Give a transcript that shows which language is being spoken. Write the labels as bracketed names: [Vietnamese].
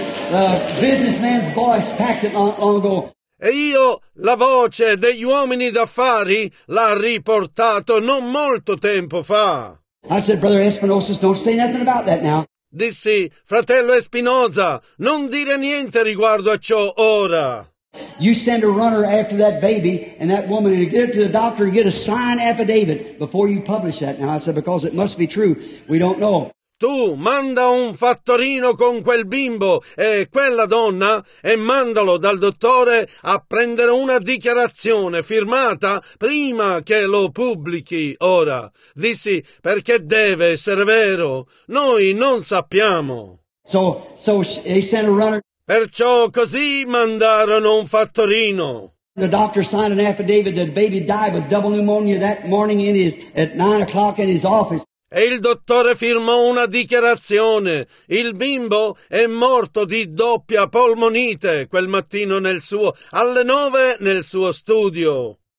[English] The businessman's voice packed it long ago. [Italian] E io la voce degli uomini d'affari l'ha riportato non molto tempo fa. [English] I said, Brother Espinosa, don't say nothing about that now. [Italian] Dissi, fratello Espinosa, non dire niente riguardo a ciò ora. [English] You send a runner after that baby and that woman and get it to the doctor and get a signed affidavit before you publish that. Now I said, because it must be true, we don't know. [Italian] Tu manda un fattorino con quel bimbo e quella donna e mandalo dal dottore a prendere una dichiarazione firmata prima che lo pubblichi ora. Dissi, perché deve essere vero? Noi non sappiamo. [English] So he sent a runner. [Italian] Perciò così mandarono un fattorino. [English] The doctor signed an affidavit that the baby died with double pneumonia that morning at 9 o'clock in his office. [Italian] E il dottore firmò una dichiarazione. Il bimbo è morto di doppia polmonite quel mattino nel suo, alle 9 nel suo studio.